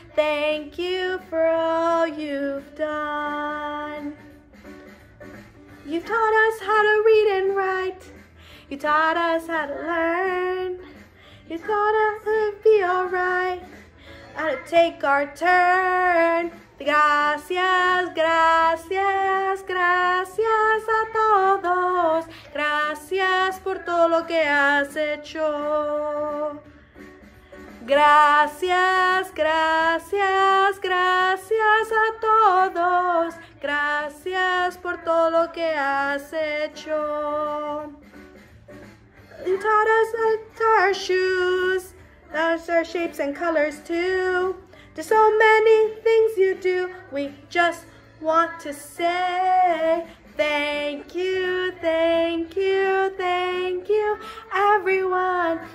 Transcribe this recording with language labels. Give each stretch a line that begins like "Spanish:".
English: Thank you for all you've done. You've taught us how to read and write. You taught us how to learn. You taught us to be alright. How to take our turn.
Spanish: Gracias, gracias, gracias a todos. Gracias por todo lo que has hecho. Gracias, gracias, gracias a todos. Gracias por todo lo que has hecho.
English: You taught us our shoes, that's our shapes and colors too. There's so many things you do. We just want to say thank you, thank you, thank you, everyone.